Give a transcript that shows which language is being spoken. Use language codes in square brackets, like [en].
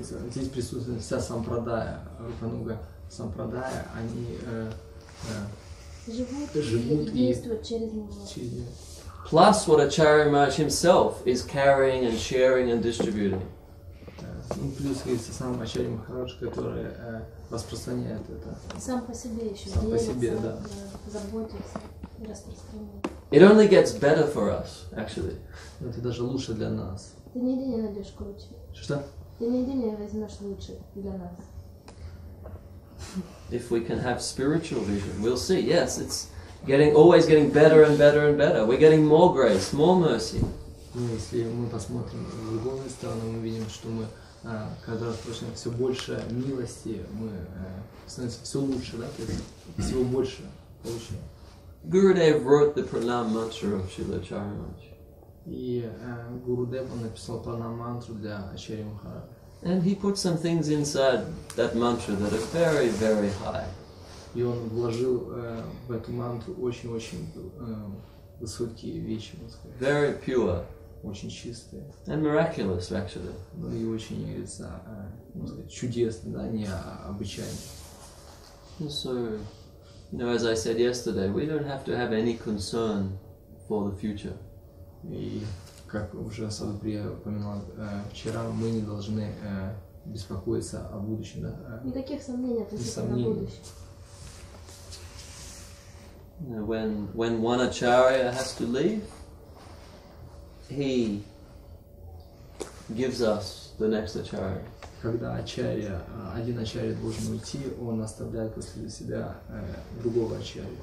[ru] Здесь присутствует вся Сампрадая, Рупануга. Сампрадая, они живут и действуют через него. [en] Plus, what Acharya Maharaj himself is carrying and sharing and distributing. [ru] Плюс есть сам Ачарья Махарадж, который распространяет это. Сам по себе еще. Сам по себе, да. Заботится и распространяет. [en] It only gets better for us, actually. [ru] Это даже лучше для нас. Ты нигде не найдешь круче. Что? Ты нигде не возьмешь лучше для нас. [en] If we can have spiritual vision, we'll see. Yes, it's getting always getting better and better and better. We're getting more grace, more mercy. [ru] Если мы посмотрим в другую сторону, мы видим, что мы когда просим все больше милости, мы становимся все лучше, да, то есть всего больше получаем. [en] Gurudev wrote the Pranam Mantra of Srila Acharya Maharaj. [ru] И Гурудев написал Пранам Мантру для Ачарьи Махараджа. [en] And he put some things inside that mantra that are very, very high. [ru] И он вложил в эту мантру очень-очень высокие вещи, можно сказать. [en] Very pure. [ru] Очень чистые. [en] And miraculous, actually. [ru] Ну и очень, можно сказать, чудесные, да, необычайные. [en] And so, you know, as I said yesterday, we don't have to have any concern for the future. [ru] Как уже Садхгуру упоминал вчера, мы не должны беспокоиться о будущем. Да? Никаких сомнений, это только на будущее. [en] When one acharya has to leave, he gives us the next acharya. [ru] Когда ачарья, один ачарья должен уйти, он оставляет после себя другого ачарья.